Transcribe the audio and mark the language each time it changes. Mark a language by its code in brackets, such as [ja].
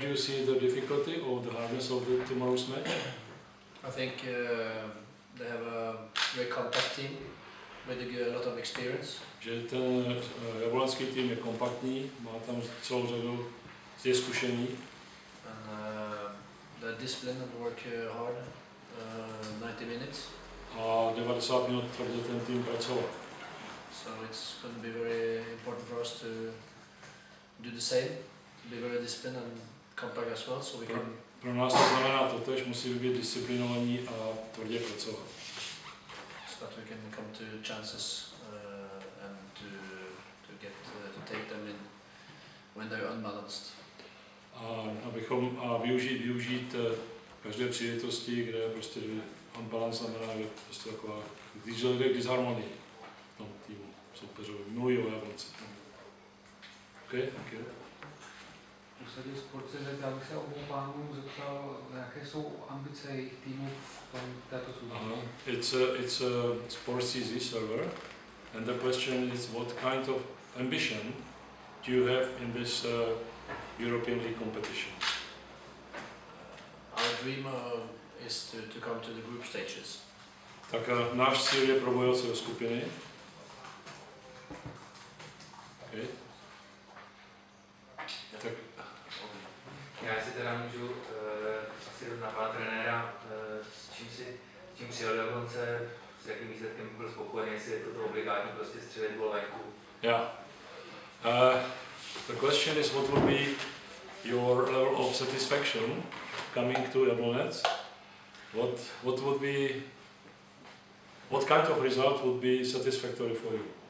[en] do you see the difficulty or the hardness of the tomorrow's match? I think they have a very compact team. With a lot of experience. [cs] Že ten jablonecký tým je kompaktní, má tam celou řadu zkušení. [en] And the discipline of work hard, 90 minutes. [cs] A 90 minut tvrdě ten tým pracoval. [en] So it's going to be very important for us to do the same, to be very disciplined and compact as well, so we can. [cs] Pro nás to znamená totéž, musí být disciplinovaní a tvrdě pracovat. [en] That we can come to chances and to get to take them in when they're unbalanced. [cs] Abychom využít každé příležitosti, kde prostě unbalance znamená, že prostě taková disharmonie v tom týmu soupeřovi. Mluví o Jablonci. [en] OK, thank you. [cs] V podstatě sportce, tak já bych se obou pánů zeptal, jaké jsou ambice jejich týmu v této soutěži. [en] It's a sports CZ server and the question is what kind of ambition do you have in this European League competition? Our dream is to come to the group stages. [cs] Tak náš cíl je probojovat se do skupiny. [en] Okay. [cs] Já si teda můžu asi jít na pana trenéra, s čím přijel Jablonce, s jakým výsledkem byl spokojený, jestli je to obligátní prostě střelit gol venku. [en] Yeah. The question is what would be your level of satisfaction coming to Jablonec? What kind of result would be satisfactory for you?